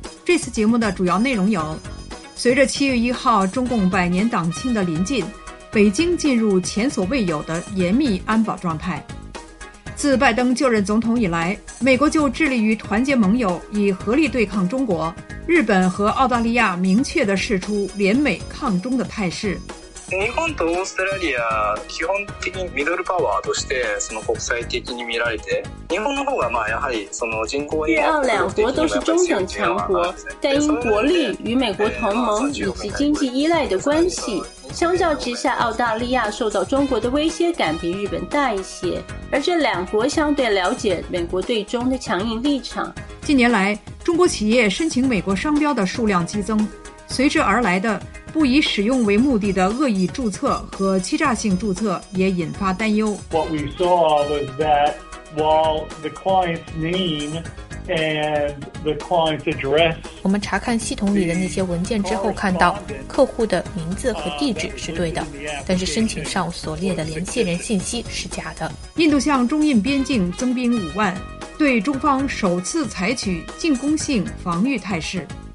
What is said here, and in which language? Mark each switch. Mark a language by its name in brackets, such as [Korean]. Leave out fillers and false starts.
[Chinese] 这次节目的主要内容有：随着7月1号中共百年党庆的临近，北京进入前所未有的严密安保状态；自拜登就任总统以来，美国就致力于团结盟友，以合力对抗中国；日本和澳大利亚明确地示出联美抗中的态势。 [Japanese] 日本とオーストラリア基本的にミドルパワーとしてその国際的に見られて、日本の方がまあやはりその人口 [Chinese] 越澳两国都是中等强国，但因国力与美国同盟以及经济依赖的关系，相较之下澳大利亚受到中国的威胁感比日本大一些，而这两国相对了解美国对中的强硬立场。近年来中国企业申请美国商标的数量激增，随之而来的不以使用为目的的恶意注册和欺诈性注册也引发担忧。 [English] What we saw was that while the client's name and the client's address, [Chinese] 我们查看系统里的那些文件之后看到，客户的名字和地址是对的，但是申请上所列的联系人信息是假的。印度向中印边境增兵50,000，对中方首次采取进攻性防御态势。